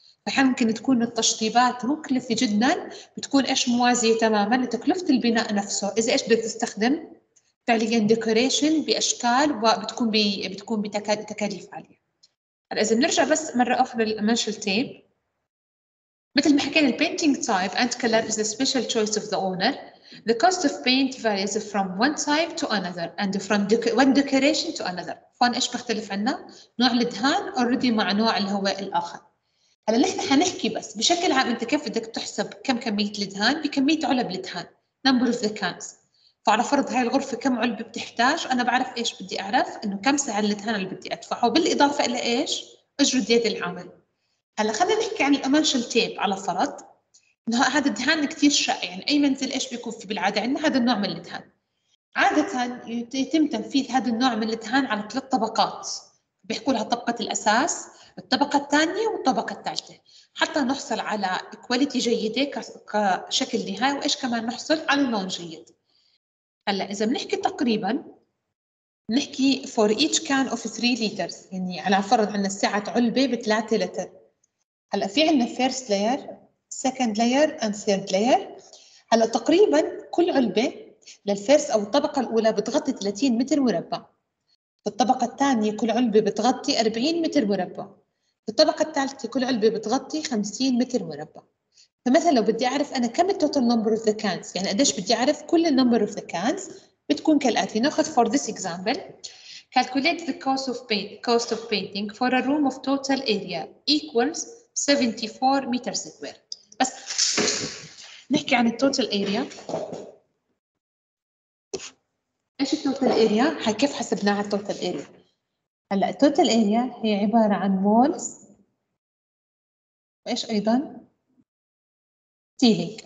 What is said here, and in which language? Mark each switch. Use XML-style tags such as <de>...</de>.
<ar>فحين ممكن تكون التشطيبات مكلفة جدا، بتكون إيش موازية تماما لتكلفة البناء نفسه. إذا إيش بدك تستخدم فعليا ديكوريشن بأشكال، وبتكون بتكون بتكاليف عالية. هلا إذا بنرجع بس مرة أخرى للمنشل تيب، مثل ما حكينا</ar> <en>البينتينج type and colour is the special choice of the owner. The cost of paint varies from one type to another and from one decoration to another.</en> <ar>فان إيش بختلف عنا؟ نوع الدهان already مع نوع اللي هو الآخر. هلا نحن هنحكي بس بشكل عام انت كيف بدك تحسب كم كميه الدهان بكميه علب الدهان</ar> <en>Number of the cans.</en> <ar>فعلى فرض هاي الغرفه كم علبه بتحتاج، انا بعرف ايش بدي اعرف انه كم سعر الدهان اللي بدي ادفعه بالاضافه الى ايش اجر يد العمل. هلا خلينا نحكي عن الامانشال تيب على فرض انه هذا الدهان كثير شائع، يعني اي منزل ايش بيكون في بالعاده عندنا هذا النوع من الدهان. عاده يتم تنفيذ هذا النوع من الدهان على ثلاث طبقات، بيحكوا لها طبقه الاساس، الطبقة الثانية والطبقة الثالثة، حتى نحصل على كواليتي جيدة كشكل نهائي، وإيش كمان نحصل على لون جيد. هلأ إذا بنحكي تقريبا نحكي</ar> <en>for each can of 3 liters،</en> <ar>يعني على فرض عندنا سعة علبة بثلاثة لتر. هلأ في عندنا</ar> <en>first layer second layer and third layer.</en> <ar>هلأ تقريبا كل علبة للفيرس أو الطبقة الأولى بتغطي 30 متر مربع، في الطبقة الثانية كل علبة بتغطي 40 متر مربع، في الطبقة الثالثة كل علبة بتغطي 50 متر مربع. فمثلا لو بدي أعرف أنا كم</ar> <en>total number of the cans،</en> <ar>يعني قديش بدي أعرف كل number of the cans، بتكون كالآتي.</ar> <en>نأخذ for this example calculate the cost of paint, cost of painting for a room of total area equals 74 meter square.</en> <ar>بس نحكي عن</ar> <en>total area،</en> <ar>ايش التوتال اريا؟ كيف حسبناها التوتال اريا؟ هلا التوتال اريا هي عباره عن مولز وايش ايضا سيلينج.</ar>